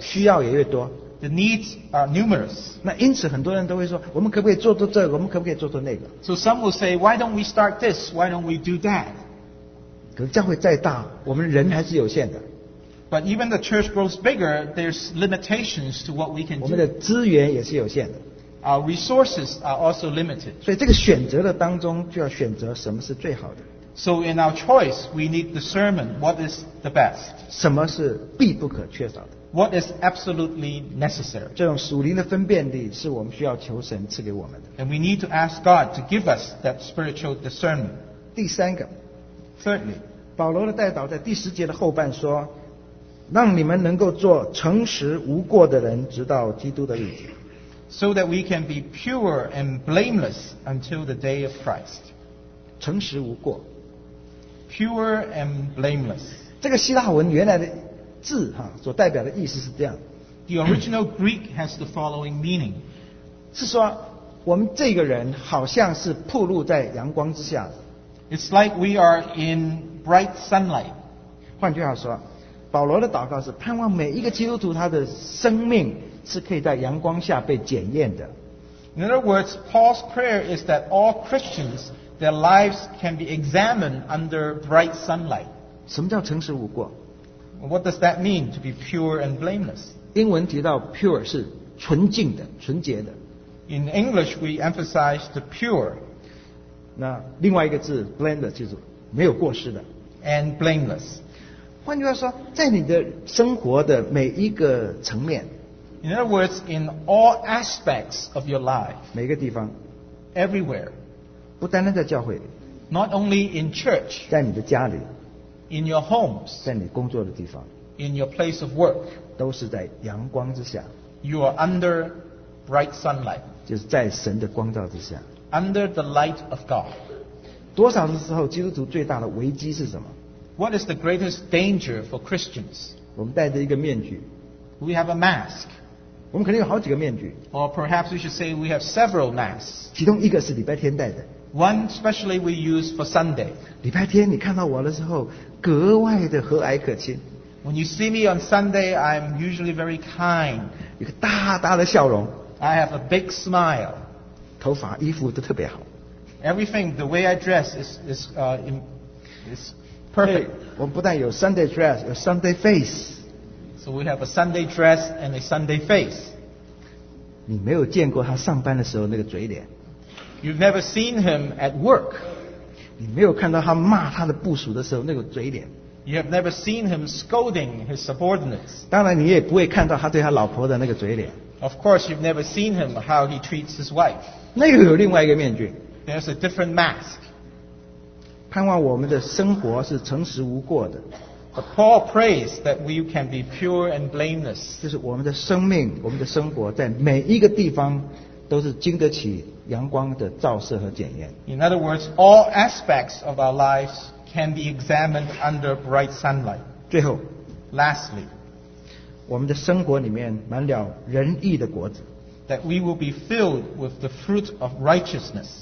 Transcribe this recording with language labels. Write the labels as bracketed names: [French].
[Chinese] 需要也越多。 [English] The needs are numerous. [Chinese] 那因此很多人都会说，我们可不可以做到这个？我们可不可以做到那个？ [English] So some will say, why don't we start this? Why don't we do that? [Chinese] 可是教会再大，我们人还是有限的。 [English] But even the church grows bigger, there's limitations to what we can do. [Chinese] 我们的资源也是有限的。 [English] Our resources are also limited. [Chinese] 所以这个选择的当中，就要选择什么是最好的。 [English] So in our choice, we need discernment. What is the best? [Chinese] 什么是必不可缺少的 [English] ？What is absolutely necessary? [Chinese] 这种属灵的分辨力是我们需要求神赐给我们的。 [English] And we need to ask God to give us that spiritual discernment. [Chinese] 第三个。 [English] Certainly. [Chinese] 保罗的代祷在第十节的后半说，让你们能够做诚实无过的人，直到基督的日子。 [English] So that we can be pure and blameless until the day of Christ. [Chinese] 诚实无过。 [English] Pure and blameless. [Chinese] 这个希腊文原来的字哈所代表的意思是这样。 [English] The original Greek has the following meaning. [Chinese] 是说我们这个人好像是暴露在阳光之下的。 [English] It's like we are in bright sunlight. [Chinese] 换句话说，保罗的祷告是盼望每一个基督徒他的生命是可以在阳光下被检验的。 [English] In other words, Paul's prayer is that all Christians, their lives can be examined under bright sunlight. [Chinese] 什么叫诚实无过？ [English] What does that mean to be pure and blameless? [Chinese] 英文提到 pure 是纯净的、纯洁的。 [English] In English, we emphasize the pure. [Chinese] 那另外一个字 blameless 就是没有过失的 [English] and blameless [Chinese] 换句话说在你的生活的每一个层面 [English] in other words in all aspects of your life [Chinese] 每个地方 [English] everywhere [Chinese] 不单单在教会 [English] not only in church [Chinese] 在你的家里 [English] in your homes [Chinese] 在你工作的地方 [English] in your place of work [Chinese] 都是在阳光之下 [English] you are under bright sunlight [Chinese] 就是在神的光照之下 [English] Under the light of God. [Chinese] 多少的时候基督徒最大的危机是什么 [English] ？What is the greatest danger for Christians? [Chinese] 我们戴着一个面具。 [English] We have a mask. [Chinese] 我们可能有好几个面具。 [English] Or perhaps we should say we have several masks. [Chinese] 其中一个是礼拜天戴的。 [English] One specially we use for Sunday. [Chinese] 礼拜天你看到我的时候格外的和蔼可亲。 [English] When you see me on Sunday, I'm usually very kind. [Chinese] 一个大大的笑容。 [English] I have a big smile. [Chinese] 头发衣服都特别好。 [English] Everything the way I dress is perfect. [Chinese] 我们不但有 [English] Sunday dress, [Chinese] 有 [English] Sunday face. So we have a Sunday dress and a Sunday face. [Chinese] 你没有见过他上班的时候那个嘴脸。 [English] You've never seen him at work. [Chinese] 你没有看到他骂他的部署的时候那个嘴脸。 [English] You have never seen him scolding his subordinates. [Chinese] 当然你也不会看到他对他老婆的那个嘴脸。 [English] Of course, you've never seen him how he treats his wife. [Chinese] 那个有另外一个面具。 [English] There's a different mask. [Chinese] 盼望我们的生活是诚实无过的。 [English] But Paul prays that we can be pure and blameless. [Chinese] 就是我们的生命，我们的生活在每一个地方都是经得起阳光的照射和检验。 [English] In other words, all aspects of our lives can be examined under bright sunlight. [Chinese] 最后 [English] Lastly, [Chinese] 我们的生活里面满了仁义的果子。 [English] That we will be filled with the fruit of righteousness.